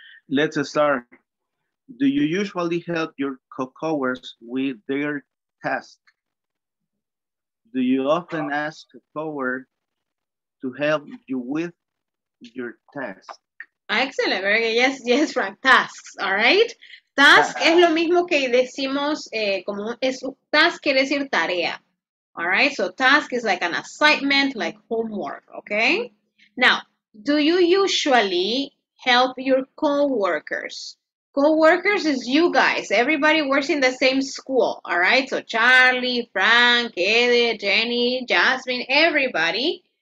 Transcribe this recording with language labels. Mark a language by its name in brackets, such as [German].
[English] Let's start. Do you usually help your co-workers with their tasks? Do you often ask a co-worker to help you with your task? Excellent, very good. Yes, yes, Frank. Tasks, all right. [Spanish] Task es lo mismo que decimos, como es, task quiere decir tarea. [English] All right, so task is like an assignment, like homework, okay? Now, do you usually help your co-workers? Co-workers is you guys, everybody works in the same school, all right? So Charlie, Frank, Ede, Jenny, Jasmine, everybody.